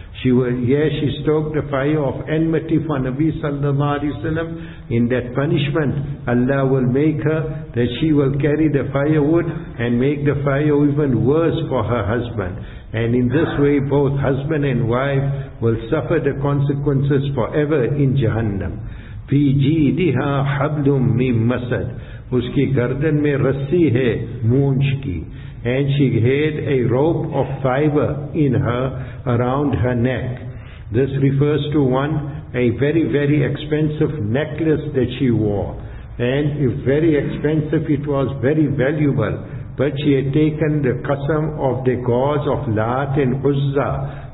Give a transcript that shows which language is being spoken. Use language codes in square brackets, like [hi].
[en] She will, yes, she stoked the fire of enmity for Nabi Sallallahu Alaihi Wasallam. In that punishment, Allah will make her that she will carry the firewood and make the fire even worse for her husband. And in this way, both husband and wife will suffer the consequences forever in Jahannam. [ar] فی جیدہا حبل من مسد, [ur] اس کی گردن میں رسی ہے مونچ کی. [en] And she had a rope of fiber in her, around her neck. This refers to one, a very, very expensive necklace that she wore. And if very expensive, it was very valuable. But she had taken the qasam of the gods of Lat and Uzza,